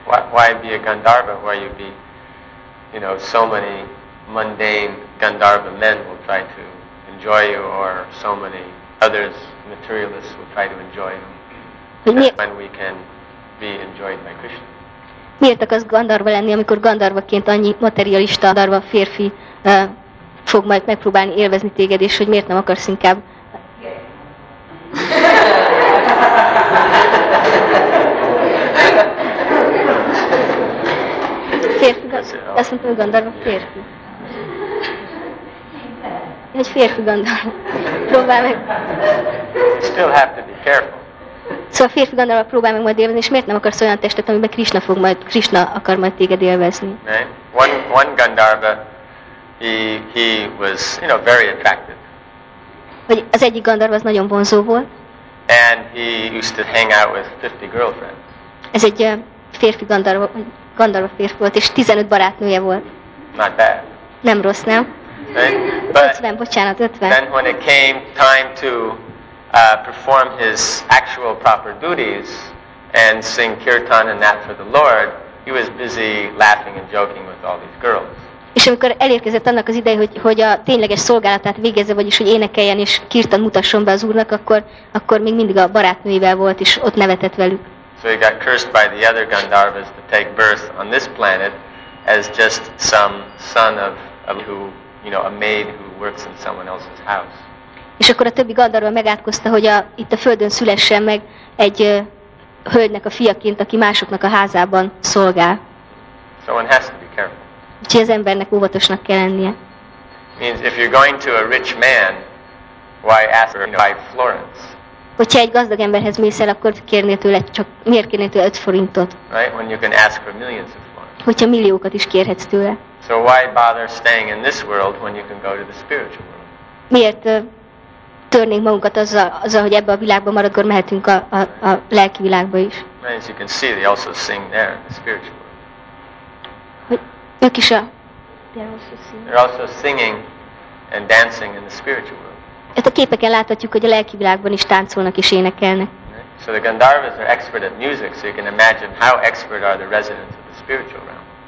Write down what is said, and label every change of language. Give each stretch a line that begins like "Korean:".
English: Why be a Gandharva? Why you be, you know, so many mundane Gandharva men will try to enjoy you, or so many others, materialists, will try to enjoy you. When we can be enjoyed by Krishna.
Hungarian: Miért akarsz gandharva lenni, amikor gandharvaként annyi materialista gandharva férfi fog majd megpróbálni élvezni téged, és hogy miért nem akarsz inkább? Férfi, azt mondtam, hogy gandharva férfi. Egy férfi gandharva. Próbál meg.
English: Still have to be careful.
Hungarian: Szóval a férfi gondolva próbál meg majd élvezni, és miért nem akarsz olyan testet, amiben Krishna akar majd téged élvezni?
English: One Gandharva, he was, you know, very attractive.
Hungarian: Vagy az egyik Gandharva az nagyon vonzó volt.
English: And he used to hang out with 50 girlfriends.
Hungarian: Ez egy férfi Gandharva férfi volt, és 15 barátnője volt.
English: Not bad.
Hungarian: Nem rossz, nem?
English: Right?
Hungarian: 50, bocsánat, 50.
English: Then when it came time to perform his actual proper duties and sing kirtan and that for the Lord, he was busy laughing and joking with all these girls.
Hungarian: És amikor elérkezett annak az ideje, hogy a tényleges szolgálatát végezze, vagyis hogy énekeljen és kirtan mutasson be az úrnak, akkor még mindig a barátnőivel volt és ott nevetett velük.
English: So he got cursed by the other Gandharvas to take birth on this planet as just some son of a maid who works in someone else's house.
Hungarian: És akkor a többi gandharva megátkozta, hogy itt a földön szülessen meg egy hölgynek a fiaként, aki másoknak a házában szolgál.
English: So one has to be careful.
Hungarian: Úgyhogy az embernek óvatosnak kell lennie.
English: Means if you're going to a rich man, Why ask, you know, 5 florins?
Hungarian: Hogyha egy gazdag emberhez mész el, akkor kérnél tőle csak, miért kérnél tőle 5 forintot?
English: Right? When you can ask for millions of florins.
Hungarian: Hogyha milliókat is kérhetsz tőle.
English: So why bother staying in this world when you can go to the spiritual world?
Hungarian: Miért törnénk magunkat azzal, hogy ebbe a világba marad, akkor mehetünk a lelki világba is.
English: Right, as you can see, they also sing there in the spiritual world.
Hungarian: Ők is a...
English: They're also singing and dancing in the spiritual world.
Hungarian: Ezt a képeken láthatjuk, hogy a lelki világban is táncolnak és énekelnek.
English: Right. So the Gandharvas are expert at music, so you can imagine how expert are the residents of the spiritual realm.